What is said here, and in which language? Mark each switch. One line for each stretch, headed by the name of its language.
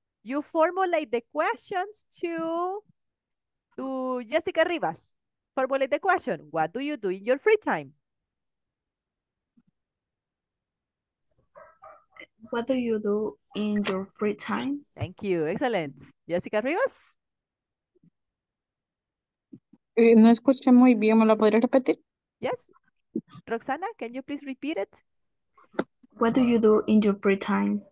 English: You formulate the questions to Jessica Rivas. Formulate the question. What do you do in your free time? What do you do in your free time? Thank you. Excellent. Jessica Rivas?
Spanish: No escuché muy bien, ¿me lo podría repetir?
English: Yes. Roxana, can you please repeat it? What do you do in your free time?